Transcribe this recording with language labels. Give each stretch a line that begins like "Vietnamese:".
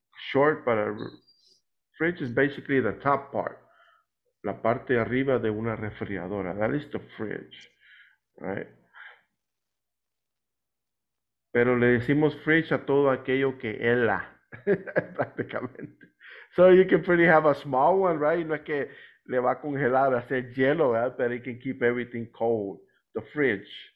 English: Short, but fridge is basically the top part.
Spanish: La parte arriba de una refrigeradora.
English: That is the fridge.
Spanish: Right. Pero le decimos fridge a todo aquello que hela, prácticamente.
English: So you can pretty have a small one, right?
Spanish: No es que le va a congelar, hacer hielo, ¿verdad?
English: But it can keep everything cold, the fridge.